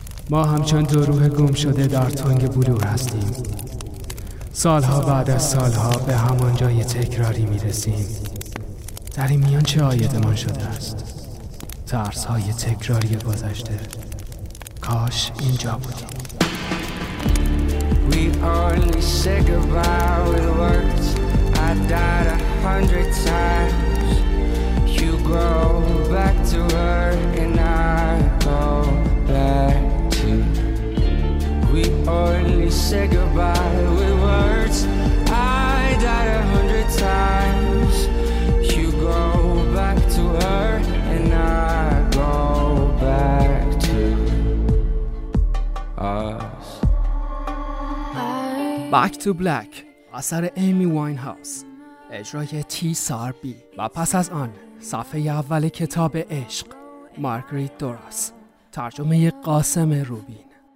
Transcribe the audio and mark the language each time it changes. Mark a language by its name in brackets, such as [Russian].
[Persian] ما همچون دو روح گم شده در تنگ بلور هستیم. سالها بعد از سالها به همان جای تکراری می‌رسیم. در این میان چه آیدمان شده است؟ ترس‌های تکراری گذشته. کاش اینجا بودیم. [English] We only say goodbye with words. I died 100 times. You go back to her and I go back. We only say goodbye with words. I died 100 times. You go back to her and I go back to us. [Persian] Back to Black, اثر ایمی واین هاوس، اجرای تی سار بی، و پس از آن صفحه اول کتاب عشق، مارگریت دوراس، ترجمه قاسم روبین.